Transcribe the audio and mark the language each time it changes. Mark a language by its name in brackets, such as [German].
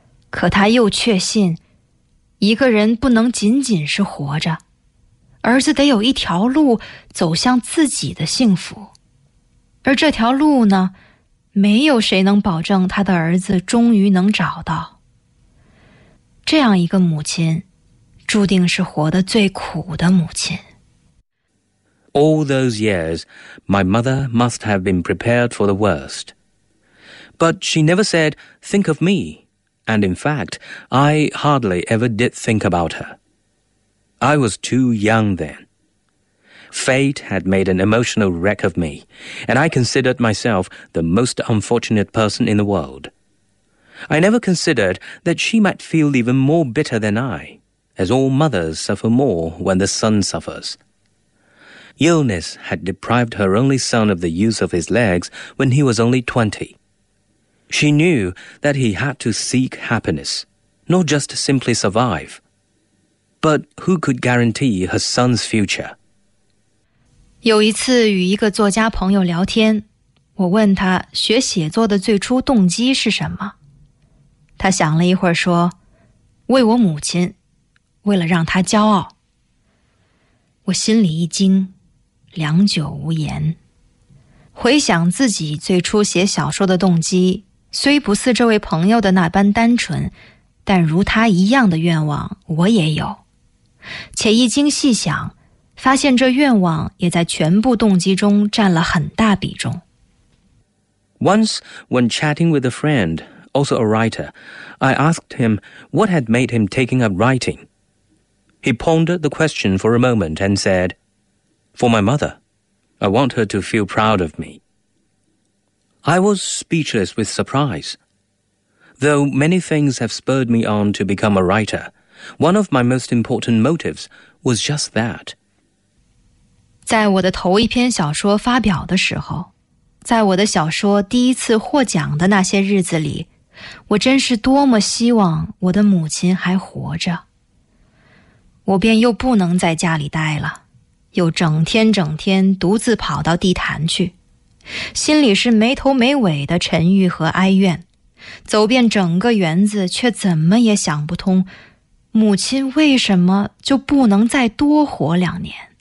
[Chinese] 可他又确信，一个人不能仅仅是活着，儿子得有一条路走向自己的幸福。而这条路呢，没有谁能保证他的儿子终于能找到。这样一个母亲，注定是活得最苦的母亲。 [English] All those years, my mother must have been prepared for the worst. But she never said, think of me. And in fact, I hardly ever did think about her. I was too young then. Fate had made an emotional wreck of me, and I considered myself the most unfortunate person in the world. I never considered that she might feel even more bitter than I, as all mothers suffer more when the son suffers. Illness had deprived her only son of the use of his legs when he was only 20. She knew that he had to seek happiness, not just simply survive. But who could guarantee her son's future? [Chinese] 有一次与一个作家朋友聊天，我问他学写作的最初动机是什么。他想了一会儿说，为我母亲，为了让她骄傲。我心里一惊，良久无言。回想自己最初写小说的动机，虽不似这位朋友的那般单纯，但如他一样的愿望我也有。且一经细想，发现这愿望也在全部动机中占了很大比重。 [English] Once, when chatting with a friend, also a writer, I asked him what had made him taking up writing. He pondered the question for a moment and said, For my mother, I want her to feel proud of me. I was speechless with surprise. Though many things have spurred me on to become a writer,One of my most important motives was just that. [Chinese] 在我的头一篇小说发表的时候，在我的小说第一次获奖的那些日子里，我真是多么希望我的母亲还活着。我便又不能在家里待了，又整天整天独自跑到地坛去，心里是没头没尾的沉郁和哀怨，走遍整个园子，却怎么也想不通母亲为什么就不能再多活两年？